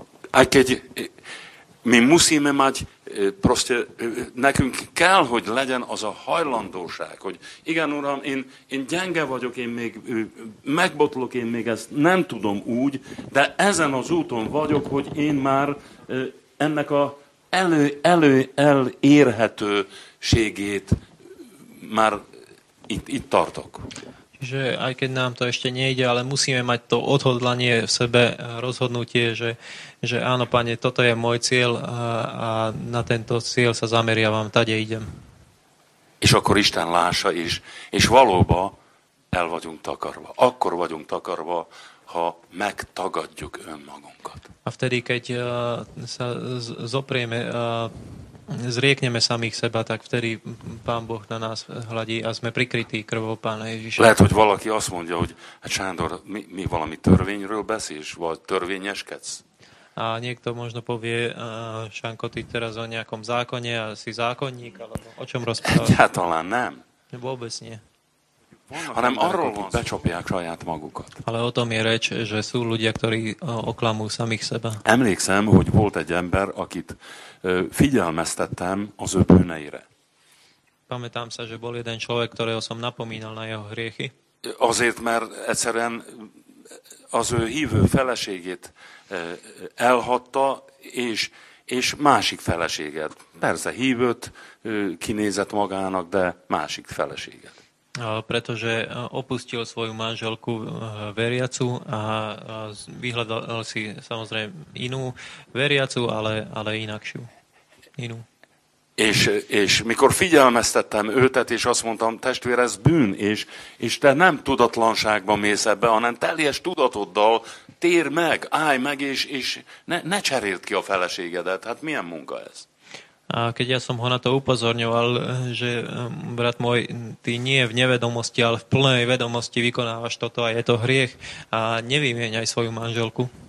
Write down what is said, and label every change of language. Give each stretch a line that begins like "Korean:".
Slovak: A keď my musíme mať proste,
Hungarian: nekünk kell, hogy legyen az a hajlandóság, hogy igen, Uram, én gyenge vagyok, én még megbotlok, én még ezt nem tudom úgy, de ezen az úton vagyok, hogy én már ennek a elérhetőségét már itt tartok.
Slovak: Že aj keď nám to ešte nejde, ale musíme mať to odhodlanie v sebe, rozhodnutie, že áno, Pane, toto je môj cieľ a na tento cieľ sa zameriavam, tade idem.
Hungarian: És akkor Isten lássa is, és valóban el vagyunk takarva. Akkor vagyunk takarva, ha megtagadjuk önmagunkat.
Slovak: A vtedy, keď sa zoprieme, zriekneme samých seba, tak vtedy Pán Boh na nás hladí a sme prikrytí krvou Pána Ježiša.
Hungarian: Lehet, hogy valaki azt mondja, hogy hát Sándor, mi valami törvényről beszélsz, vagy törvényeskedsz?
Slovak: A niekto možno povie, Šanko, ty teraz o nejakom zákone a si zákonník, alebo o čom rozprávaš?
Hungarian: Egyáltalán nem.
Slovak: Vôbec nie.
Hungarian: Hanem arról van, hogy becsapják saját magukat.
Slovak: Ale o tom je reč, že sú ľudia, ktorí oklamú samých seba.
Hungarian: Emlékszem, hogy volt egy ember, akit figyelmeztettem az ő bűneire.
Slovak: Pamätám sa, že bol jeden človek, ktorého som napomínal na jeho hriechy.
Hungarian: Azért, mert egyszerűen az ő hívő feleségét elhatta, és másik feleséget, persze hívőt kinézett magának, de másik feleséget.
Slovak: Pretože opustil svoju manželku veriacu a vyhľadal si samozrejme inú veriacu, ale inakšiu. Inú.
Hungarian: És mikor figyelmeztettem őtet, és azt mondtam, testvér, ez bűn, és te nem tudatlanságban mész ebbe, hanem teljes tudatoddal tér meg, állj meg, és ne cseréld ki a feleségedet. Hát milyen munka ez?
Slovak: A keď ja som ho na to upozorňoval, že brat môj, ty nie v nevedomosti, ale v plnej vedomosti vykonávaš toto a je to hriech a nevymieňaj svoju manželku.